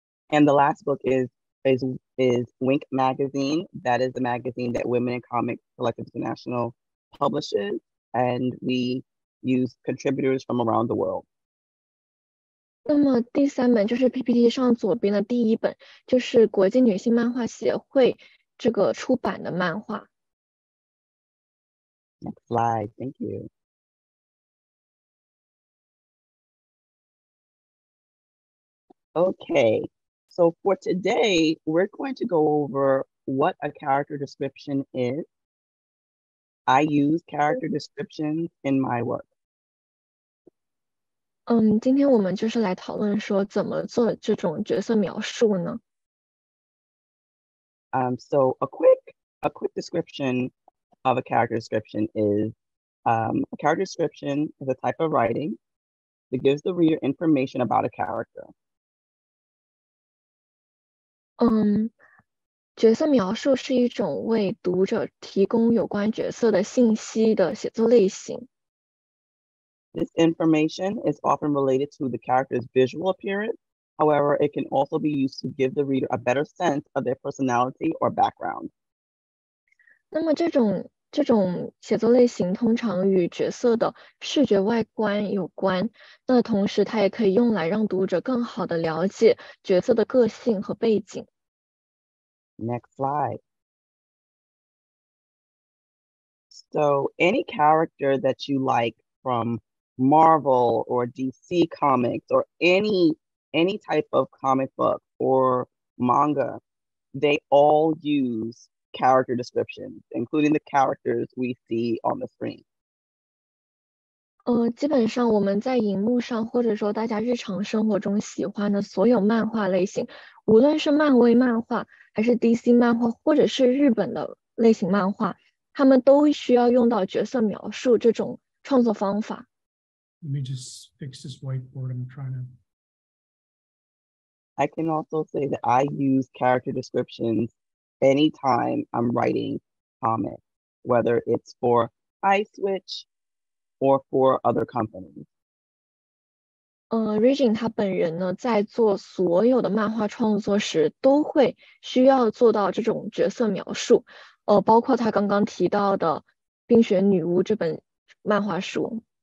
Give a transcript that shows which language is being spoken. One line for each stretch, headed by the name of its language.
English: And the last book is WinC Magazine. That is the magazine that Women in Comics Collective International publishes. and we use contributors from around the world.
Chinese: 那么第三本就是 PPT 上左边的第一本，就是国际女性漫画协会这个出版的漫画。
English: Next slide, thank you. Okay, so for today, we're going to go over what a character description is. I use character descriptions in my work.
Chinese: 今天我们就是来讨论说怎么做这种角色描述呢？
English: So a quick description of a character description is, a character description is a type of writing that gives the reader information about a character.
Chinese: 角色描述是一种为读者提供有关角色的信息的写作类型。
English: This information is often related to the character's visual appearance. However, it can also be used to give the reader a better sense of their personality or background.
Chinese: 那么这种写作类型通常与角色的视觉外观有关，那同时它也可以用来让读者更好地了解角色的个性和背景。
English: Next slide. So, any character that you like from Marvel or DC comics or any type of comic book or manga, they all use character descriptions, including the characters we see on the screen.
Chinese: 基本上我们在荧幕上或者说大家日常生活中喜欢的所有漫画类型，无论是漫威漫画还是 DC 漫画或者是日本的类型漫画，他们都需要用到角色描述这种创作方法。
English: Let me just fix this whiteboard. I'm trying to. I can also say that I use character descriptions anytime I'm writing comics, whether it's for iSwitch or for other companies.
Chinese: REGINE 他本人呢，在做所有的漫画创作时，都会需要做到这种角色描述，包括他刚刚提到的《冰雪女巫》这本漫画书。